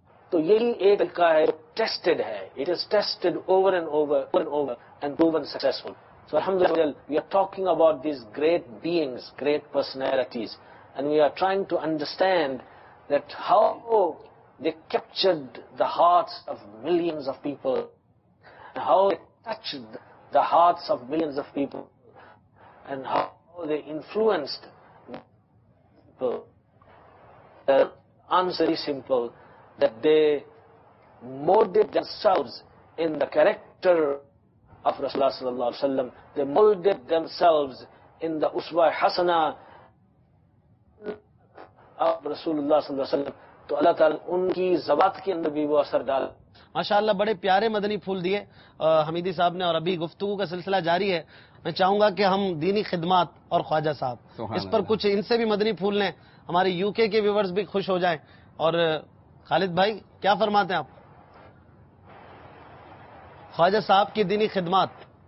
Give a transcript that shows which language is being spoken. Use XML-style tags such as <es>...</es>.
<ur>تو یہی ایک طریقہ ہے ٹیسٹڈ ہے</ur> <en>It is tested over and over and proven successful So alhamdulillah, we are talking about these great beings, great personalities, and we are trying to understand that how they captured the hearts of millions of people, and how they touched the hearts of millions of people, and how they influenced people. The answer is simple, that they molded themselves in the character of Rasulullah sallallahu alaihi wasallam they molded themselves in the uswa hasana</en> <ur>اور رسول اللہ صلی اللہ علیہ وسلم، تو اللہ تعالیٰ ان کی زبات کے اندر بھی وہ اثر ڈال۔ ماشاءاللہ بڑے پیارے مدنی پھول دیے حمیدی صاحب نے، اور ابھی گفتگو کا سلسلہ جاری ہے، میں چاہوں گا کہ ہم دینی خدمات اور خواجہ صاحب اس پر کچھ ان سے بھی مدنی پھول لیں، ہمارے یو کے ویورز بھی خوش ہو جائیں۔ اور خالد بھائی کیا فرماتے ہیں آپ خواجہ صاحب کی دینی خدمات؟</ur>